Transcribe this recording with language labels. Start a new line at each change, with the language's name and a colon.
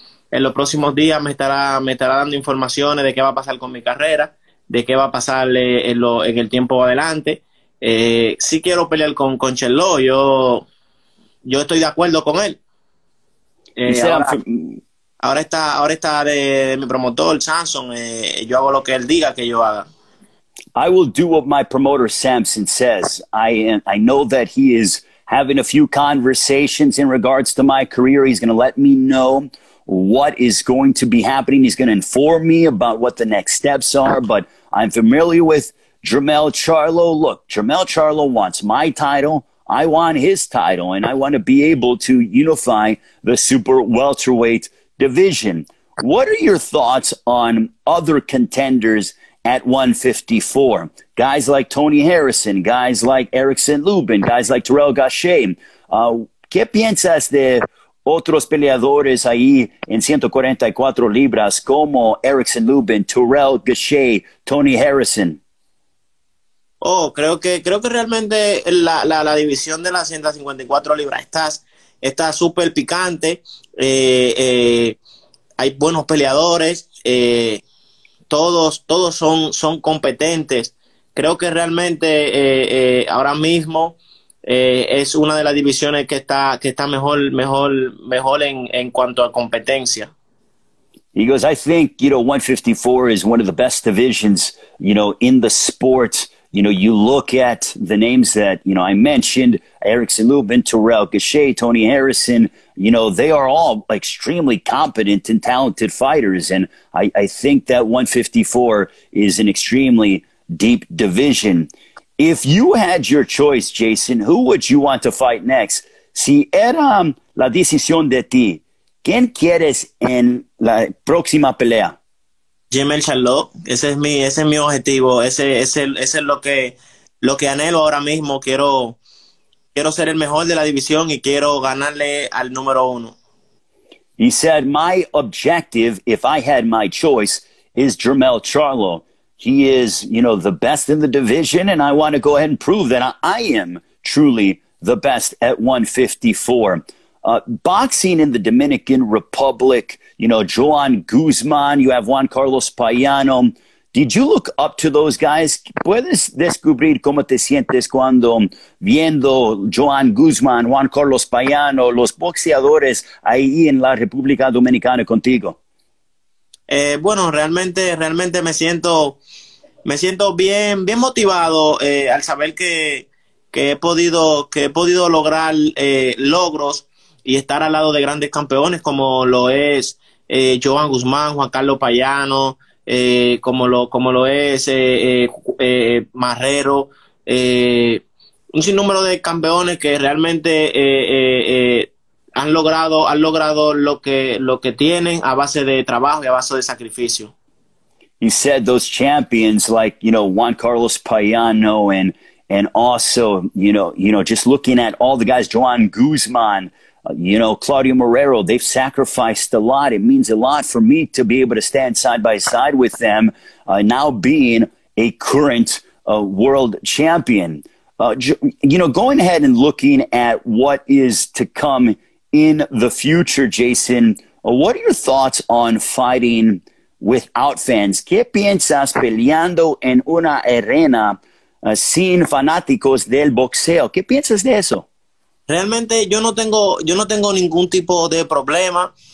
Spanish: En los próximos días me estará dando informaciones de qué va a pasar con mi carrera, de qué va a pasar en el tiempo adelante. Sí quiero pelear con Chelo, yo estoy de acuerdo con él.
English: He said, I'm
Spanish: Ahora
English: from.
Spanish: está de mi promotor, Samson, yo hago lo que él diga que yo haga.
English: I will do what my promoter Samson says. I know that he is having a few conversations in regards to my career. He's going to let me know what is going to be happening. He's going to inform me about what the next steps are. But I'm familiar with Jermell Charlo. Look, Jermell Charlo wants my title. I want his title, and I want to be able to unify the super welterweight division. What are your thoughts on other contenders at 154? Guys like Tony Harrison, guys like Erickson Lubin, guys like Terrell Gashay.
Spanish: ¿Qué piensas de otros peleadores ahí en 144 libras como Erickson Lubin, Terrell Gashay, Tony Harrison? Oh, creo que realmente la división de las 154 libras está súper picante. Hay buenos peleadores, todos son competentes. Creo que realmente ahora mismo es una de las divisiones que está mejor en cuanto a competencia.
English: He goes, I think, 154 is one of the best divisions, in the sport. You look at the names that, I mentioned, Erickson Lubin, Terrell Gachet, Tony Harrison, they are all extremely competent and talented fighters. And I think that 154 is an extremely deep division. If you had your choice, Jason, who would you want to fight next?
Spanish: Si era la decisión de ti, ¿quién quieres en la próxima pelea? Jermell Charlo, ese es mi objetivo, ese es lo que anhelo ahora mismo. Quiero ser el mejor de la división y quiero ganarle al número uno.
English: He said, my objective, if I had my choice, is Jermell Charlo. He is, the best in the division, and I want to go ahead and prove that I am truly the best at 154. Boxing in the Dominican Republic, Juan Guzman, you have Juan Carlos Payano. Did you look up to those guys?
Spanish: ¿Puedes descubrir cómo te sientes cuando viendo Juan Guzmán, Juan Carlos Payano, los boxeadores ahí en la República Dominicana contigo? Bueno, realmente me siento bien, bien motivado al saber que he podido lograr logros y estar al lado de grandes campeones como lo es Joan Guzmán, Juan Carlos Payano, como lo es Marrero, un sinnúmero de campeones que realmente han logrado lo que tienen a base de trabajo y a base de sacrificio.
English: He said those champions like, Juan Carlos Payano and also, just looking at all the guys, Joan Guzman, Claudio Marrero, they've sacrificed a lot. It means a lot for me to be able to stand side by side with them, now being a current world champion. Going ahead and looking at what is to come in the future, Jason, what are your thoughts on fighting without fans?
Spanish: ¿Qué piensas peleando en una arena sin fanáticos del boxeo? ¿Qué piensas de eso? Realmente yo no tengo ningún tipo de problema.